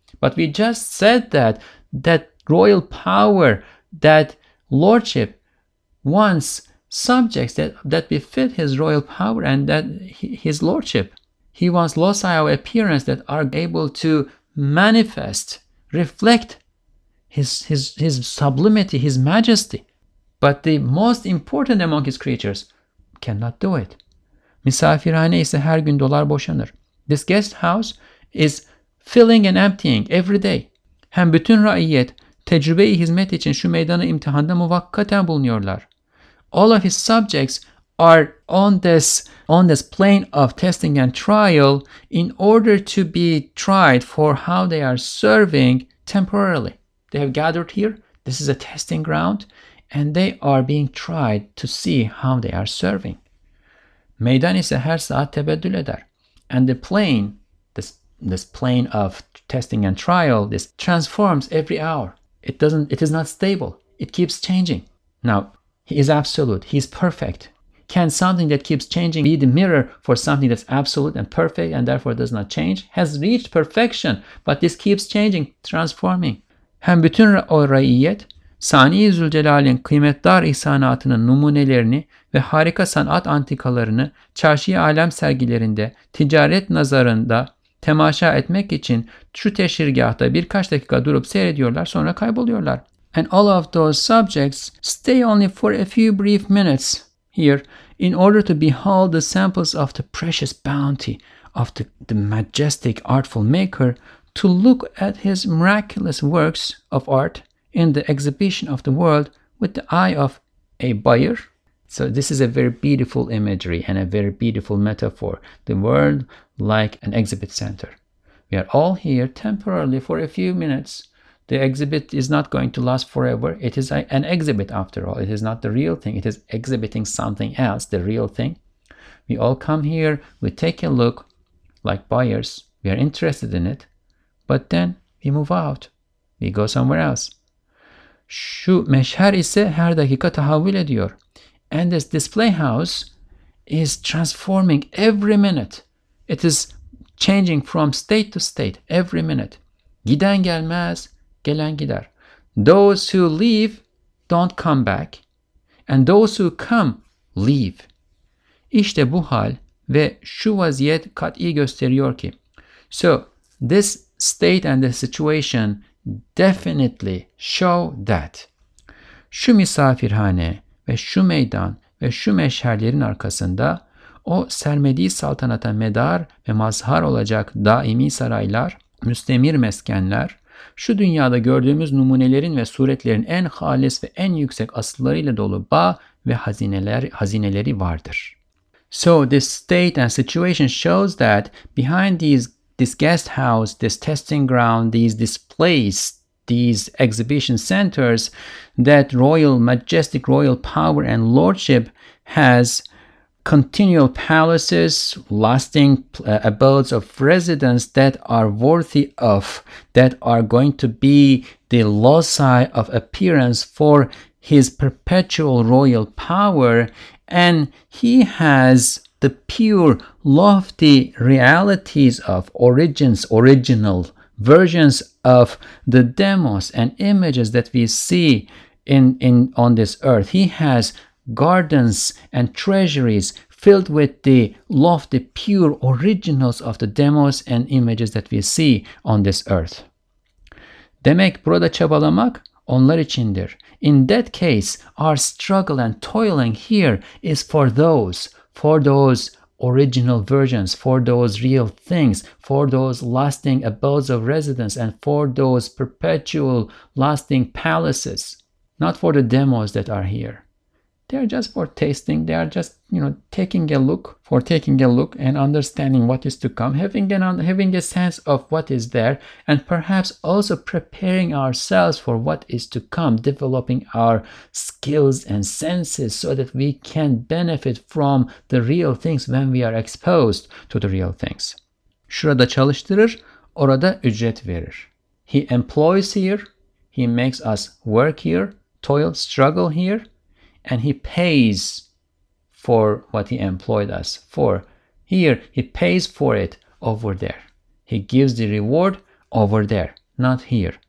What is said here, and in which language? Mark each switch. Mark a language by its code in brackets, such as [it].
[en] But we just said that that royal power, that lordship, wants subjects that befit his royal power and that his lordship. He wants loci of appearance that are able to manifest, reflect his sublimity, his majesty. But the most important among his creatures cannot do it. [tr] Misafirhane ise her gün dolar boşanır. [en] This guest house is filling and emptying every day. [tr] Hem bütün raiyet tecrübe-i hizmet için şu meydanı imtihanda muvakkaten bulunuyorlar. [en] All of his subjects are on this plane of testing and trial in order to be tried for how they are serving temporarily. They have gathered here. This is a testing ground. And they are being tried to see how they are serving. [tr] Meydan ise her saat tebeddül eder. [en] And the plane, this plane of testing and trial, this transforms every hour. It is not stable. It keeps changing. Now, he is absolute. He is perfect. Can something that keeps changing be the mirror for something that's absolute and perfect and therefore does not change? Has reached perfection, but this keeps changing, transforming. [tr] Hem bütün o raiyet, Sani-i Zülcelal'in kıymetdar ihsanatının numunelerini ve harika sanat antikalarını çarşı-i alem sergilerinde, ticaret nazarında temaşa etmek için şu teşhirgâhta birkaç dakika durup seyrediyorlar, sonra kayboluyorlar. [en] And all of those subjects stay only for a few brief minutes here in order to behold the samples of the precious bounty of the majestic artful maker, to look at his miraculous works of art in the exhibition of the world with the eye of a buyer. So this is a very beautiful imagery and a very beautiful metaphor. The world like an exhibit center. We are all here temporarily for a few minutes. The exhibit is not going to last forever. It is an exhibit after all. It is not the real thing. It is exhibiting something else, the real thing. We all come here, we take a look like buyers. We are interested in it, but then we move out. We go somewhere else. [tr] Şu meşher ise her dakika tahavvül ediyor. [en] And this display house is transforming every minute. It is changing from state to state every minute. [tr] Giden gelmez, gelen gider. [en] Those who leave don't come back. And those who come leave. [tr] İşte bu hal ve şu vaziyet kat'i gösteriyor ki. [en] So this state and the situation definitely show that. [tr] Şu misafirhane ve şu meydan ve şu meşherlerin arkasında o sermedi saltanata medar ve mazhar olacak daimi saraylar, müstemir meskenler, şu dünyada gördüğümüz numunelerin ve suretlerin en halis ve en yüksek asıllarıyla dolu bağ ve hazineleri vardır. [en] So this state and situation shows that behind this guest house, this testing ground, these displays, these exhibition centers, that royal, majestic royal power and lordship has continual palaces, lasting abodes of residence that are worthy of, that are going to be the loci of appearance for his perpetual royal power. And he has the pure, lofty realities of origins, original versions of the demos and images that we see in on this earth. He has gardens and treasuries filled with the lofty, pure originals of the demos and images that we see on this earth. [tr] Demek burada çabalamak onlar içindir. [en] In that case, our struggle and toiling here is for those original versions, for those real things, for those lasting abodes of residence, and for those perpetual lasting palaces, not for the demos that are here. They are just for tasting. They are just, you know, taking a look and understanding what is to come, having a sense of what is there, and perhaps also preparing ourselves for what is to come, developing our skills and senses so that we can benefit from the real things when we are exposed to the real things. [tr] Şurada çalıştırır, orada ücret verir. [en] He employs here. He makes us work here, toil, struggle here. And he pays for what he employed us for. Here, he pays for it over there. He gives the reward over there, not here.